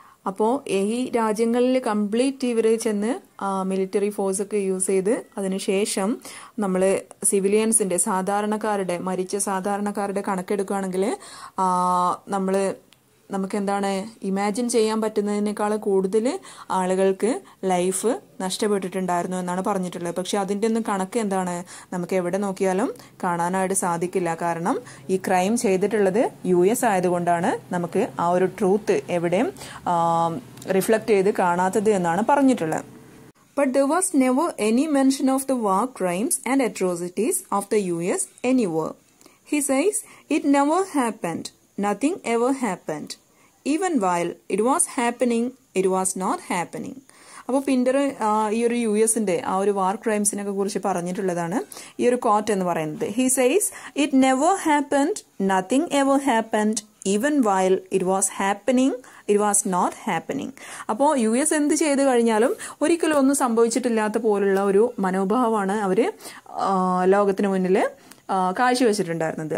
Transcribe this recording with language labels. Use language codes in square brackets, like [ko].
[ml] അപ്പോൾ ഈ രാജ്യങ്ങളിൽ കംപ്ലീറ്റ് ഇവർ ചെന്ന് മിലിറ്ററി ഫോഴ്സൊക്കെ യൂസ് ചെയ്ത് അതിനുശേഷം നമ്മൾ സിവിലിയൻസിൻ്റെ സാധാരണക്കാരുടെ മരിച്ച സാധാരണക്കാരുടെ കണക്കെടുക്കുകയാണെങ്കിൽ നമ്മൾ നമുക്കെന്താണ് ഇമാജിൻ ചെയ്യാൻ പറ്റുന്നതിനേക്കാൾ കൂടുതൽ ആളുകൾക്ക് ലൈഫ് നഷ്ടപ്പെട്ടിട്ടുണ്ടായിരുന്നു എന്നാണ് പറഞ്ഞിട്ടുള്ളത്. പക്ഷെ അതിൻ്റെ ഒന്നും കണക്ക് എന്താണ് നമുക്ക് എവിടെ നോക്കിയാലും കാണാനായിട്ട് സാധിക്കില്ല. കാരണം ഈ ക്രൈം ചെയ്തിട്ടുള്ളത് യു എസ് ആയതുകൊണ്ടാണ് നമുക്ക് ആ ഒരു ട്രൂത്ത് എവിടെയും റിഫ്ലക്റ്റ് ചെയ്ത് കാണാത്തത് എന്നാണ് പറഞ്ഞിട്ടുള്ളത്. [en] But there was never any mention of the war crimes and atrocities of the US anywhere. He says it never happened. Nothing ever happened. Even while it was happening, it was not happening. [ml] അപ്പോൾ Pinter ഈ ഒരു U എസിൻ്റെ ആ ഒരു വാർ ക്രൈംസിനൊക്കെ കുറിച്ച് പറഞ്ഞിട്ടുള്ളതാണ് ഈ ഒരു കോട്ട് എന്ന് പറയുന്നത്. [en] He says it never happened nothing ever happened even while it was happening it was not happening. [ml] അപ്പോൾ യു എസ് എന്ത് ചെയ്ത് കഴിഞ്ഞാലും ഒരിക്കലും ഒന്നും സംഭവിച്ചിട്ടില്ലാത്ത പോലുള്ള ഒരു മനോഭാവമാണ് അവർ ലോകത്തിന് മുന്നിൽ കാഴ്ചവെച്ചിട്ടുണ്ടായിരുന്നത്.